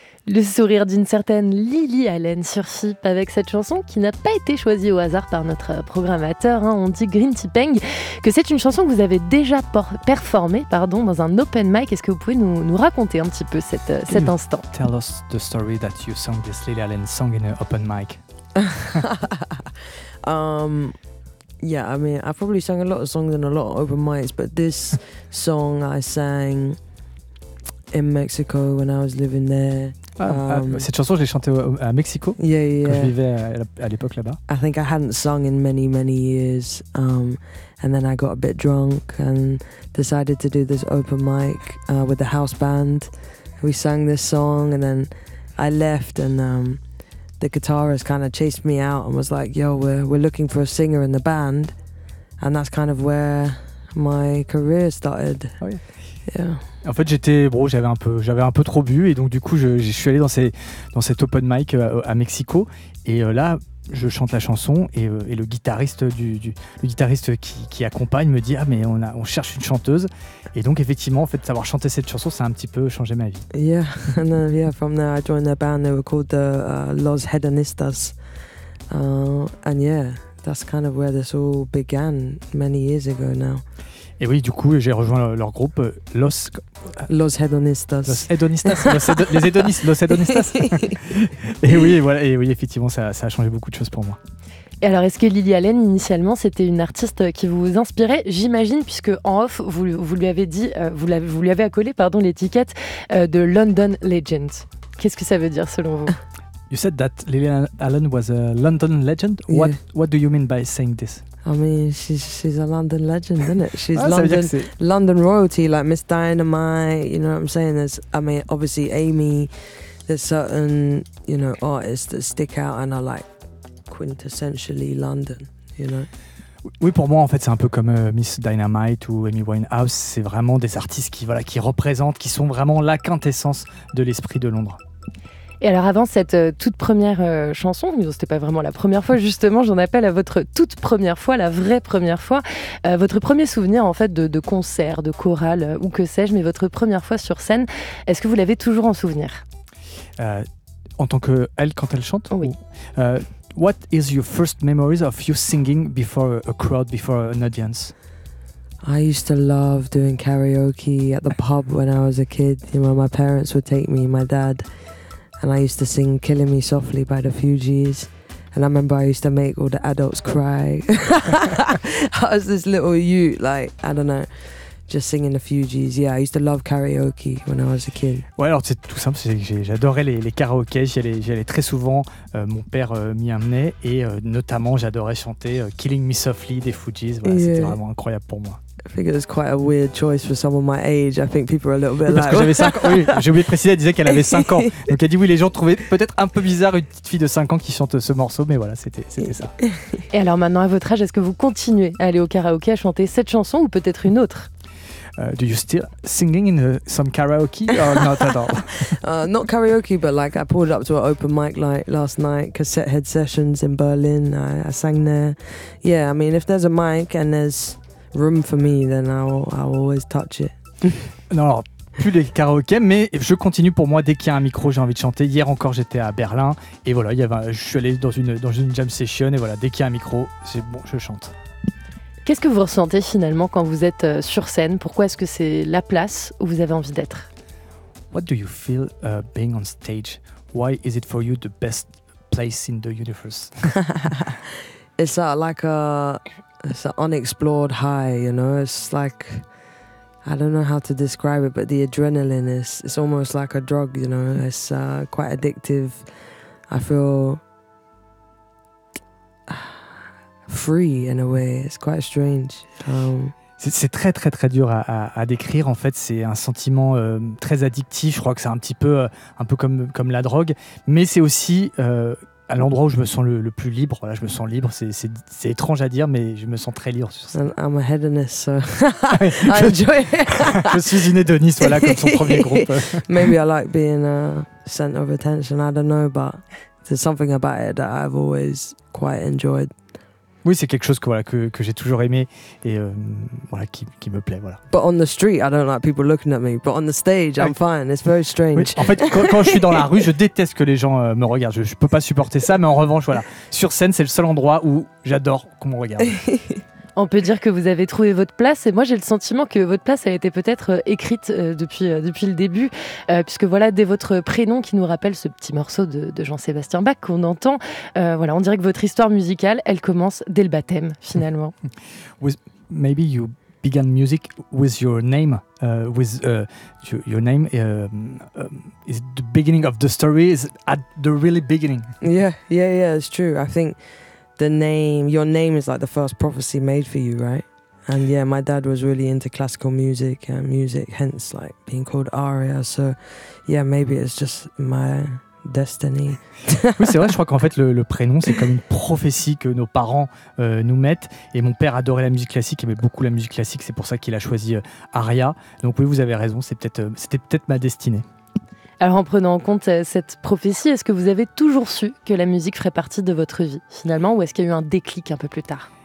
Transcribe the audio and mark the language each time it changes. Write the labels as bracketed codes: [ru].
[fr] le sourire d'une certaine Lily Allen sur Fip avec cette chanson qui n'a pas été choisie au hasard par notre programmateur. Hein. On dit Green Tipeng que c'est une chanson que vous avez déjà performée dans un open mic. Est-ce que vous pouvez nous raconter un petit peu cet instant? [en] Tell us the story that you sang this Lily Allen song in an open mic. Yeah, I mean, I probably sang a lot of songs in a lot of open mics, but this song I sang in Mexico when I was living there. [fr] Cette chanson, je l'ai chantée à Mexico, quand je vivais à l'époque là-bas. [en] I think I hadn't sung in many, many years. And then I got a bit drunk and decided to do this open mic with the house band. We sang this song and then I left and... the guitarist kind of chased me out and was like, yo, we're looking for a singer in the band. And that's kind of where my career started. [fr] Oui. [en] Yeah. [fr] En fait, j'avais un peu trop bu et donc du coup, je suis allé dans cet open mic à Mexico et là, je chante la chanson et le guitariste qui accompagne me dit, ah mais on cherche une chanteuse. Et donc effectivement, en fait, savoir chanter cette chanson, ça a un petit peu changé ma vie. [en] Yeah, and then from there I joined a band. They were called the Los Hedonistas, and yeah, that's kind of where this all began many years ago now. [fr] Et oui, du coup, j'ai rejoint leur groupe Los Hedonistas. Los Hedonistas. Les hédonistes. Los Hedonistas. Et oui, voilà. Et oui, effectivement, ça a changé beaucoup de choses pour moi. Et alors, est-ce que Lily Allen, initialement, c'était une artiste qui vous inspirait? J'imagine, puisque en off, vous lui avez accolé l'étiquette de London Legend. Qu'est-ce que ça veut dire, selon vous? [en] You said that Lily Allen was a London legend. Yeah. What do you mean by saying this? I mean, she's a London legend, isn't it? She's London royalty, like Miss Dynamite, you know what I'm saying? Obviously Amy, there's certain, you know, artists that stick out and are like quintessentially London, you know? [fr] Oui, pour moi, en fait, c'est un peu comme Miss Dynamite ou Amy Winehouse. C'est vraiment des artistes qui représentent, qui sont vraiment la quintessence de l'esprit de Londres. Et alors avant cette toute première chanson, c'était pas vraiment la première fois justement, j'en appelle à votre toute première fois, la vraie première fois, votre premier souvenir en fait de concert, de chorale ou que sais-je, mais votre première fois sur scène, est-ce que vous l'avez toujours en souvenir? En tant qu'elle, quand elle chante? Oui. [en] What is your first memories of you singing before a crowd, before an audience? I used to love doing karaoke at the pub when I was a kid, you know, my parents would take me, my dad... And I used to sing Killing Me Softly by the Fugees. And I remember I used to make all the adults cry. I was this little youth, like, I don't know, just singing the Fugees. Yeah, I used to love karaoke when I was a kid. [fr] Ouais, alors c'est tout simple, c'est que j'adorais les karaokés. J'y allais très souvent, mon père m'y amenait. Et notamment, j'adorais chanter Killing Me Softly des Fugees. Voilà, [en] yeah. [fr] C'était vraiment incroyable pour moi. [en] I think it's quite a weird choice for someone my age. I think people are a little bit like... [fr] Parce que j'avais 5 ans. Oui, j'ai oublié de préciser, elle disait qu'elle avait 5 ans. Donc elle dit oui, les gens trouvaient peut-être un peu bizarre une petite fille de 5 ans qui chante ce morceau, mais voilà, c'était ça. Et alors maintenant, à votre âge, est-ce que vous continuez à aller au karaoké à chanter cette chanson ou peut-être une autre? [en] Do you still singing in some karaoke or not at all? Not karaoke, but like I pulled up to an open mic like last night, Cassette Head Sessions in Berlin. I sang there. Yeah, I mean, if there's a mic and there's... room for me, then I'll always touch it. [fr] Non, alors, plus les karaokés, mais je continue pour moi dès qu'il y a un micro, j'ai envie de chanter. Hier encore, j'étais à Berlin et voilà, je suis allé dans une jam session et voilà, dès qu'il y a un micro, c'est bon, je chante. Qu'est-ce que vous ressentez finalement quand vous êtes sur scène? Pourquoi est-ce que c'est la place où vous avez envie d'être? [en] What do you feel being on stage? Why is it for you the best place in the universe? It's like a... It's an unexplored high, you know, it's like, I don't know how to describe it, but the adrenaline is, it's almost like a drug, you know, it's quite addictive. I feel free in a way, it's quite strange. [fr] C'est très très très dur à décrire, en fait c'est un sentiment très addictif, je crois que c'est un petit peu, comme la drogue, mais c'est aussi... à l'endroit où je me sens le plus libre, voilà, je me sens libre. C'est étrange à dire, mais je me sens très libre. [en] I'm a hedonist, so I enjoy. [fr] Je suis une hédoniste, voilà, comme son premier groupe. [en] Maybe I like being a center of attention. I don't know, but there's something about it that I've always quite enjoyed. [fr] Oui, c'est quelque chose que voilà que j'ai toujours aimé et voilà qui me plaît voilà. [en] But on the street, I don't like people looking at me. But on the stage, I'm fine. It's very strange. [fr] Oui. En fait, quand je suis dans la rue, je déteste que les gens me regardent. Je peux pas supporter ça. Mais en revanche, voilà, sur scène, c'est le seul endroit où j'adore qu'on me regarde. On peut dire que vous avez trouvé votre place et moi j'ai le sentiment que votre place a été peut-être écrite depuis le début puisque voilà, dès votre prénom qui nous rappelle ce petit morceau de Jean-Sébastien Bach qu'on entend, voilà, on dirait que votre histoire musicale, elle commence dès le baptême finalement. [en] Maybe you began music with your name, with your name, is the beginning of the story, is at the really beginning. Yeah, it's true, I think. The name, your name is like the first prophecy made for you, right? And yeah, my dad was really into classical music and music, hence like being called Aria. So yeah, maybe it's just my destiny. [fr] Oui, c'est vrai, je crois qu'en fait le prénom, c'est comme une prophétie que nos parents nous mettent. Et mon père adorait la musique classique, aimait beaucoup la musique classique, c'est pour ça qu'il a choisi Aria. Donc oui, vous avez raison, c'était peut-être ma destinée. Alors, en prenant en compte cette prophétie, est-ce que vous avez toujours su que la musique ferait partie de votre vie, finalement, ou est-ce qu'il y a eu un déclic un peu plus tard?